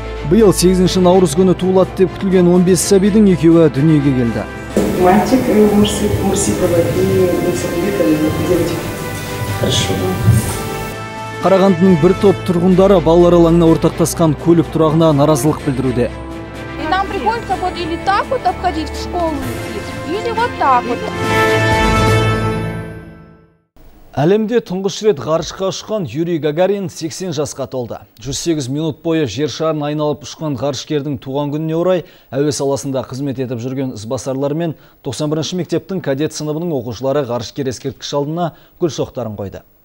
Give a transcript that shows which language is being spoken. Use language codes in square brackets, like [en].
[kk] Биыл 8 наурыз күні туылады деп күтілген 15 сәбидің екеуі дүниеге келді. [ru] Мальчик, [kk] Қарағандының бір топ тұрғындары балалар алаңына ортақтасқан көлік тұрағына наразылық білдіруде. [ru] Нам приходится вот или так вот обходить в школу, или вот так вот. [kk] Әлемде тұңғыш рет ғарышқа ұшқан Юрий Гагарин 80 жасқа толды. 108 минут бойы жер шарын айналып ұшқан ғарышкердің туған күніне орай әуе саласында қызмет етіп жүрген ізбасарлар мен 91-ші мектептің кадет сыныбының оқушылары ғарышкер ескерткіш алдына гүл шоқтарын қойды.